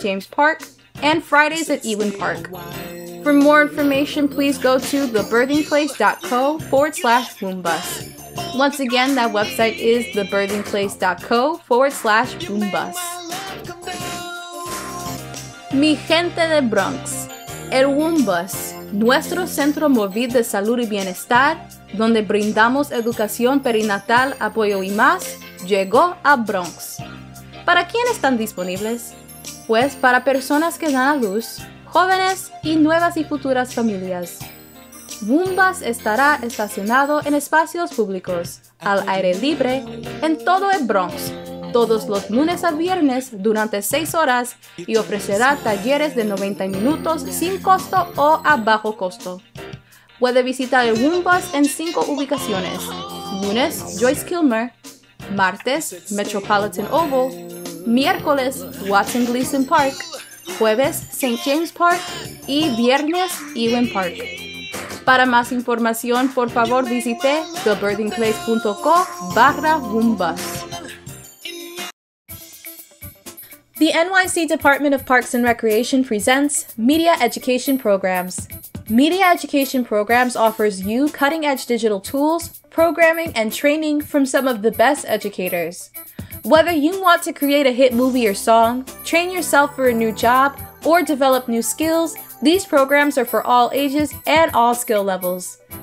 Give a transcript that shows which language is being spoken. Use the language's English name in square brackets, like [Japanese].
[English] James Park, and Fridays at Ewen Park. For more information, please go to thebirthingplace.co/wombus. Once again, that website is thebirthingplace.co/wombus. [Spanish] Mi gente de Bronx, el Womb Bus. Nuestro Centro Móvil de Salud y Bienestar, donde brindamos educación perinatal, apoyo y más, llegó a Bronx. ¿Para quién están disponibles? Pues para personas que dan a luz, jóvenes y nuevas y futuras familias. Womb Bus estará estacionado en espacios públicos, al aire libre, en todo el Bronx, todos los lunes a viernes durante 6 horas y ofrecerá talleres de 90 minutos sin costo o a bajo costo. Puede visitar el Womb Bus en 5 ubicaciones. Lunes, Joyce Kilmer. Martes, Metropolitan Oval. Miércoles, Watson Gleason Park. Jueves, St. James Park. Y viernes, Ewen Park. Para más información, por favor visite thebirthingplace.co/wombus. [English] The NYC Department of Parks and Recreation presents Media Education Programs. Media Education Programs offers you cutting-edge digital tools, programming, and training from some of the best educators. Whether you want to create a hit movie or song, train yourself for a new job, or develop new skills, these programs are for all ages and all skill levels.